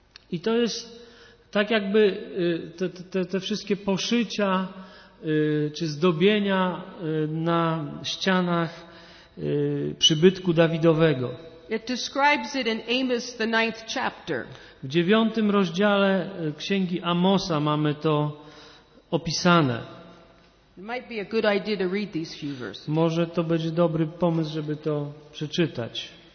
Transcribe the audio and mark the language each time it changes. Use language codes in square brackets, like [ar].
[pl] I to jest tak jakby te wszystkie poszycia czy zdobienia na ścianach przybytku Dawidowego. [en] It describes it in Amos, the ninth chapter. [pl] W 9 rozdziale księgi Amosa mamy to opisane. [en] It might be a good idea to read these few verses. [pl] Może to będzie dobry pomysł, żeby to przeczytać.